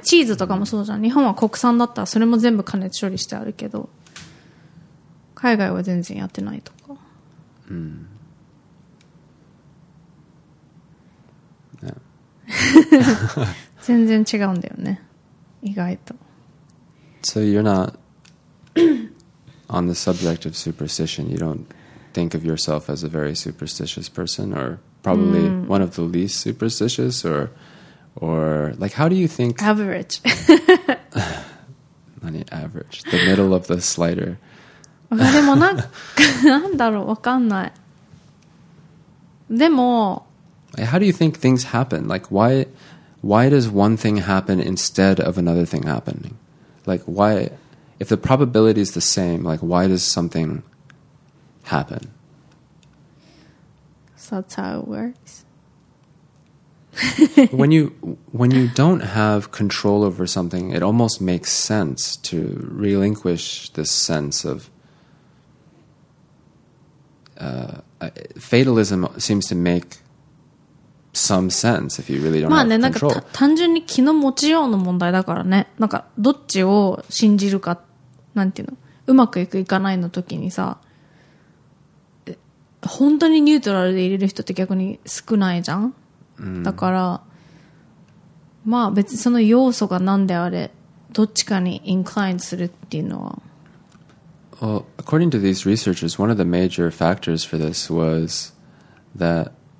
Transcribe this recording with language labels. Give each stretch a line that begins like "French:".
Japanese: チーズとかもそうじゃん、hmm. 日本は国産だったらそれも全部加熱処理してあるけど、海外は全然やってないとか、うん、全然違うんだよね、意外と。
English: So you're not on the subject of superstition. You don't think of yourself as a very superstitious person, or probably、mm. one of the least superstitious, or like, how do you think? Average. 何 average? The middle of the slider.
Japanese: でもなんか、なんだろう、わかんない。でも、
English: How do you think things happen? Like, why does one thing happen instead of another thing happening? Like, why, if the probability is the same, like, why does something happen? So that's how it works. when you don't have control over something, it almost makes sense to relinquish this sense of... fatalism seems to make... Some sense if you really don't have control.
Japanese: まあね、なんか単純に気の持ちようの問題だからね。なんかどっちを信じるか、なんていうの、うまくいくいかないの時にさ、本当にニュートラルで入れる人って逆に少ないじゃん。だから、mm. まあ別にその要素が何であれ、どっちかにインクラインするっていうのは。
English: Well, according to these researchers, one of the major factors for this was that.